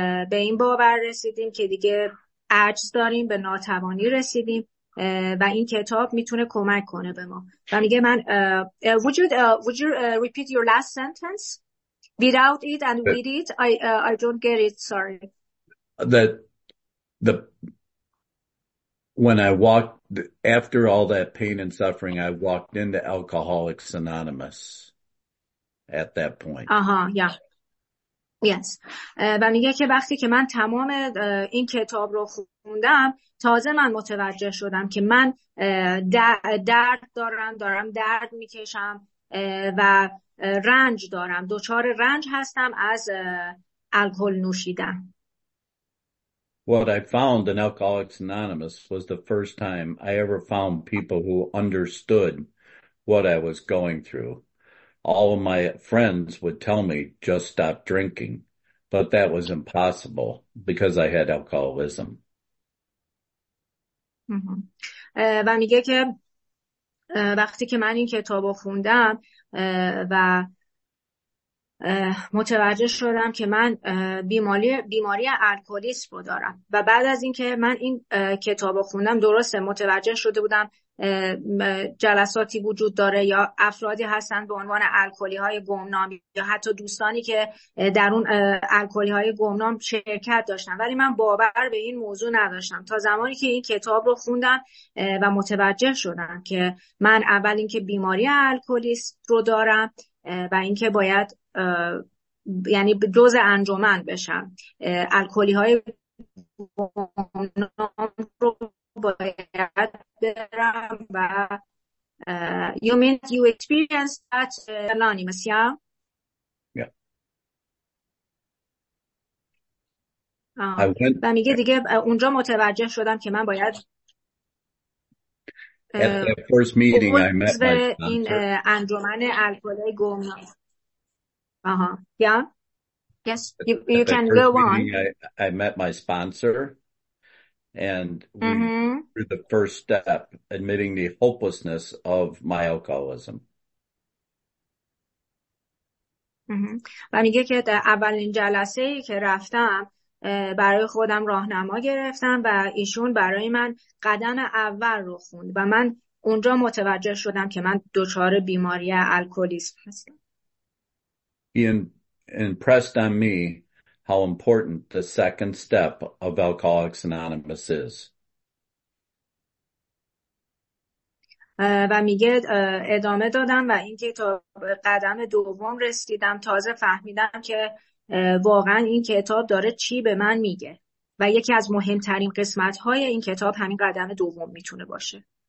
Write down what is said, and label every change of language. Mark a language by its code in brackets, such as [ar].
[fa] به این باور رسیدیم که دیگه عجز داریم، به ناتوانی رسیدیم و این کتاب میتونه کمک کنه به ما. و میگه من [en] would you repeat your last sentence without it and with it I don't get it, sorry. When I walked, after all that pain and suffering, I walked into Alcoholics Anonymous at that point. Yes. [fa] و میگه که وقتی که من تمام این کتاب رو خوندم، تازه من متوجه شدم که من درد دارم، دارم درد میکشم و رنج دارم، دچار رنج هستم از الکل نوشیدن. [en] What I found in Alcoholics Anonymous was the first time I ever found people who understood what I was going through. All of my friends would tell me, just stop drinking. But that was impossible because I had alcoholism. [fa] و میگه که وقتی که من این کتاب رو خوندم و متوجه شدم که من بیماری الکلیسم رو دارم، و بعد از اینکه من این کتاب رو خوندم، درسته متوجه شده بودم جلساتی وجود داره یا افرادی هستن به عنوان الکلی های گمنام یا حتی دوستانی که در اون الکلی های گمنام شرکت داشتن، ولی من باور به این موضوع نداشتم تا زمانی که این کتاب رو خوندم و متوجه شدم که من اول اینکه بیماری الکلیست رو دارم و اینکه باید یعنی جزء انجمن بشم، الکلی های گمنام رو باید برم. و [en] you mean you experienced that anonymous, yeah? Yeah. [fa] و میگه دیگه اونجا متوجه شدم که من باید [en] at the first meeting I met my [fa] این انجمن الکلی گمنام. [en] Yeah. Yes, you can go on. I met my sponsor and we through the first step admitting the hopelessness of my alcoholism. [fa] و میگه که در اولین جلسه ای که رفتم برای خودم راهنما گرفتم و ایشون برای من قدم اول رو خوند و من اونجا متوجه شدم که من دچار بیماری الکلیسم هستم. [en] Impressed on me how important the second step of Alcoholics Anonymous is. [fa] و میگه ادامه دادم و اینکه تا قدم دوم رسیدم، تازه فهمیدم که واقعا این کتاب داره چی به من میگه، و یکی از مهمترین قسمت‌های این کتاب همین قدم دوم میتونه باشه.